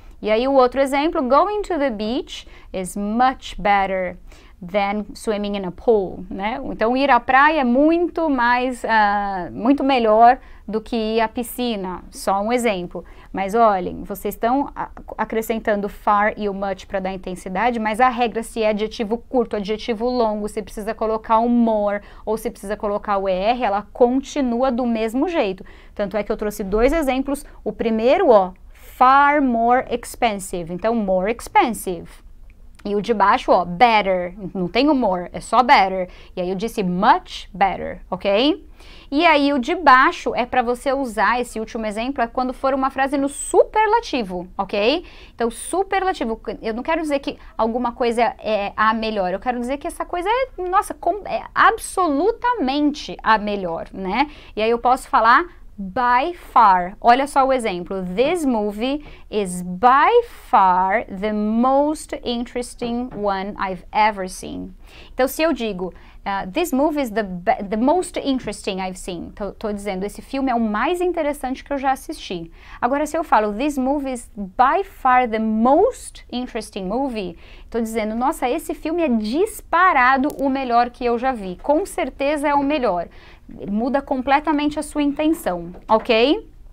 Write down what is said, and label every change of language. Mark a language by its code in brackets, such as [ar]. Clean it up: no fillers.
[pt] E aí, o outro exemplo, [en] going to the beach is much better than swimming in a pool, né? [pt] Então, ir à praia é muito mais, muito melhor do que ir à piscina. Só um exemplo. Mas olhem, vocês estão acrescentando far e o much para dar intensidade, mas a regra, se é adjetivo curto, adjetivo longo, se precisa colocar o more ou se precisa colocar o er, ela continua do mesmo jeito. Tanto é que eu trouxe dois exemplos. O primeiro, ó, far more expensive. Então, more expensive. E o de baixo, ó, better, não tem o more, é só better. E aí eu disse much better, ok? E aí o de baixo é para você usar, esse último exemplo, é quando for uma frase no superlativo, ok? Então, superlativo, eu não quero dizer que alguma coisa é a melhor, eu quero dizer que essa coisa é, nossa, é absolutamente a melhor, né? E aí eu posso falar by far. Olha só o exemplo. [en] This movie is by far the most interesting one I've ever seen. [pt] Então, se eu digo, [en] this movie is the most interesting I've seen. [pt] Tô dizendo, esse filme é o mais interessante que eu já assisti. Agora, se eu falo, [en] this movie is by far the most interesting movie, [pt] tô dizendo, nossa, esse filme é disparado o melhor que eu já vi. Com certeza é o melhor. Muda completamente a sua intenção, ok?